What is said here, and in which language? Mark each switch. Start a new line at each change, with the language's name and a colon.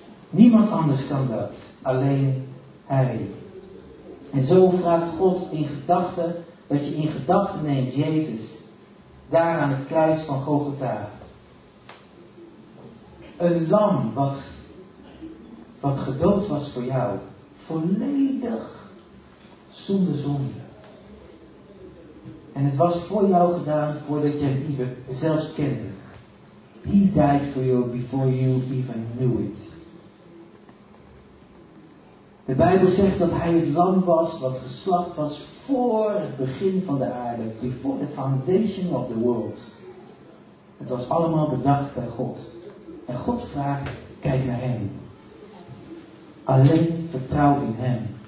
Dutch: Niemand anders kan dat. Alleen hij. En zo vraagt God in gedachten dat je in gedachten neemt Jezus, daar aan het kruis van Golgotha. Een lam wat gedood was voor jou, volledig zonder zonde. En het was voor jou gedaan voordat jij het even zelfs kende.
English: He died for you before you even knew it.
Dutch: De Bijbel zegt dat hij het lam was wat geslacht was voor het begin van de aarde.
English: Before the foundation of the world.
Dutch: Het was allemaal bedacht bij God. En God vraagt, kijk naar hem. Alleen vertrouw in hem.